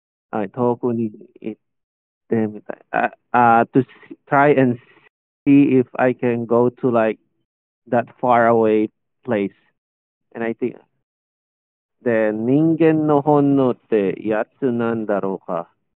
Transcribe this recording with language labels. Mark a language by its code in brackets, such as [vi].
[ja] はい、遠くに行ってみたい。 [en] To try and see if I can go to like that far away place. And I think, [ja] で、人間の本能ってやつなんだろうか。